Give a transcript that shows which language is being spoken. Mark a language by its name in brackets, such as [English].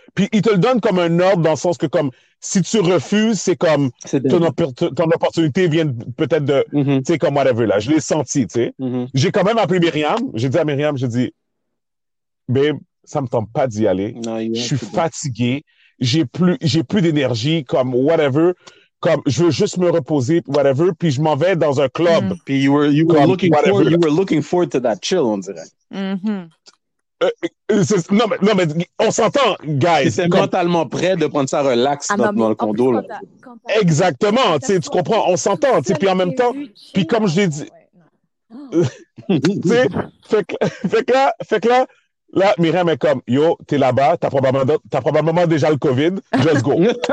[French] Puis, il te le donne comme un ordre dans le sens que, comme, si tu refuses, c'est comme, ton opportunité vient peut-être de, tu sais, comme, whatever, là. Je l'ai senti, tu sais. J'ai quand même appelé Myriam. J'ai dit à Myriam, j'ai dit, babe, ça me tente pas d'y aller. Je suis fatigué. J'ai plus d'énergie, comme, whatever. Comme, je veux juste me reposer, whatever, puis je m'en vais dans un club. [English] Puis you were looking forward to that chill, [French] on dirait. Non, mais on s'entend, guys. T'étais mentalement prêt de prendre ça relax dans le condo. Plus, là. Exactement, tu comprends, on s'entend. Puis en même temps, puis comme je l'ai dit... Ouais, fait que là, Myriam est comme, yo, t'es là-bas, t'as probablement déjà le COVID, [English] let's go.